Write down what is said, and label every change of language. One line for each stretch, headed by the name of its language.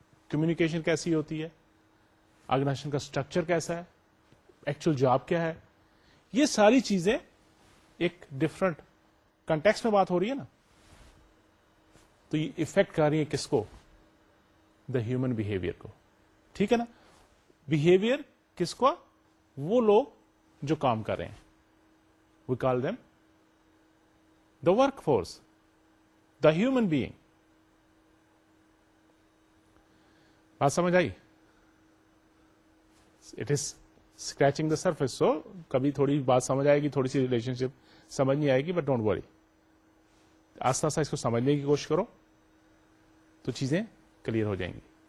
Urdu: Communication کیسی ہوتی ہے, آرگنائزیشن کا اسٹرکچر کیسا ہے, ایکچوئل جاب کیا ہے, یہ ساری چیزیں ایک ڈفرنٹ کنٹیکسٹ میں بات ہو رہی ہے نا, تو یہ افیکٹ کر رہی ہے کس کو, دا ہیومن بہیویئر کو, ٹھیک ہے نا. بہیویئر کس کو, وہ لوگ جو کام کر رہے ہیں,
English: we call them the workforce,
Urdu: the human being. بات سمجھ آئی؟
English: it is scratching the surface,
Urdu: سو کبھی تھوڑی بات سمجھ آئے گی, تھوڑی سی ریلیشن شپ سمجھ نہیں آئے گی,
English: but don't worry,
Urdu: آستہ آستہ اس کو سمجھنے کی کوشش کرو تو چیزیں کلیئر ہو جائیں گی.